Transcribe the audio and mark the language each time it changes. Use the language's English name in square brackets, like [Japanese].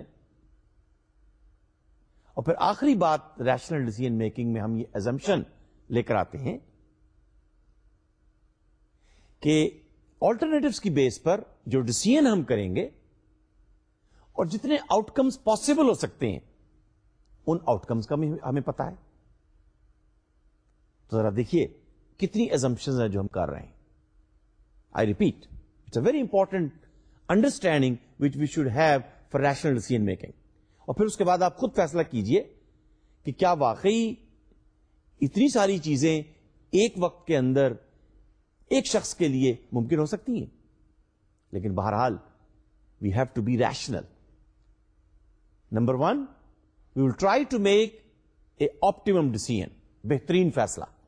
[Urdu] اور پھر آخری بات ریشنل ڈیسیژن میکنگ میں ہم یہ ازمپشن لے کر آتے ہیں کہ آلٹرنیٹوز کی بیس پر جو ڈیسیژن ہم کریں گے اور جتنے آؤٹ کمز پاسبل ہو سکتے ہیں ان آؤٹ کمز کا بھی ہمیں پتا ہے. تو ذرا دیکھیے کتنی ازمپشنز ہیں جو ہم کر رہے ہیں. [English] I repeat, it's a very important understanding which we should have for rational decision making. [Urdu] اور پھر اس کے بعد آپ خود فیصلہ کیجئے کہ کیا واقعی اتنی ساری چیزیں ایک وقت کے اندر ایک شخص کے لیے ممکن ہو سکتی ہیں. لیکن بہرحال [English] we have to be rational. Number one, we will try to make a optimum decision, [Urdu] بہترین فیصلہ.